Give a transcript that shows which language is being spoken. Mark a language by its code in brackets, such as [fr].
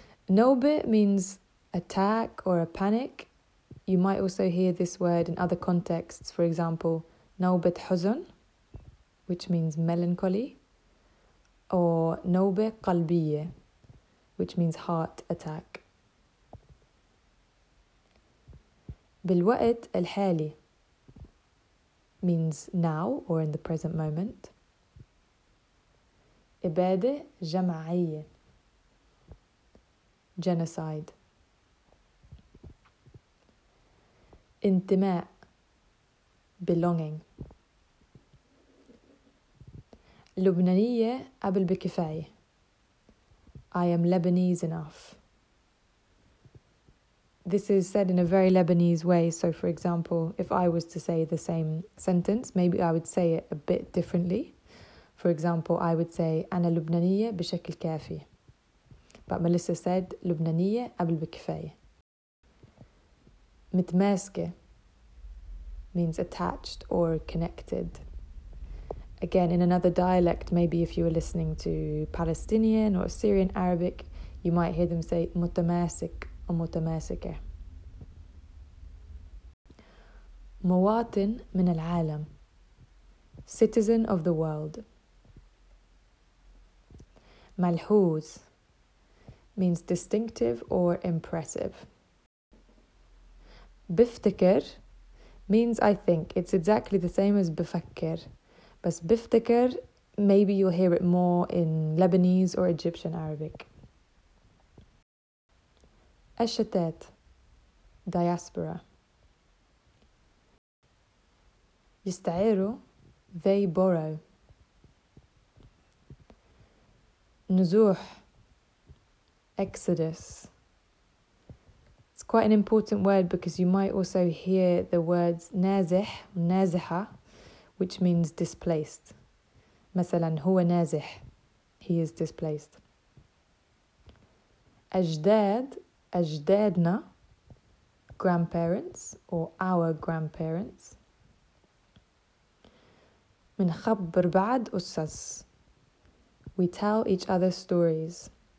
[en] نوبة means attack or a panic. You might also hear this word in other contexts, for example, [ar] نوبة حزن, [en] which means melancholy, or [ar] نوبة قلبية, [en] which means heart attack. [ar] بالوقت الحالي [en] means now or in the present moment. [ar] إبادة جماعية, genocide. انتماء, belonging. لبنانية قبل بكفاية, [en] I am Lebanese enough. This is said in a very Lebanese way, so for example, if I was to say the same sentence, maybe I would say it a bit differently. For example, I would say, [ar] أنا لبنانية بشكل كافي. [en] But Melissa said, [ar] لبنانية قبل بكفاية. [en] متماسكة means attached or connected. Again, in another dialect, maybe if you were listening to Palestinian or Syrian Arabic, you might hear them say متماسك or متماسكة. [ar] مواطن من العالم, [en] citizen of the world. ملحوظ means distinctive or impressive. بفتكر means I think. It's exactly the same as بفكر. [ar] بس بفتكر, [en] maybe you'll hear it more in Lebanese or Egyptian Arabic. [ar] الشتات, diaspora. [en] يستعيروا, they borrow. [ar] نزوح, exodus. [en] Quite an important word because you might also hear the words [ar] نازح نازحة, [en] which means displaced. [ar] مثلا هو نازح, [en] he is displaced. أجداد, أجدادنا, grandparents or our grandparents. [ar] منخبر بعض قصص, [en] we tell each other stories.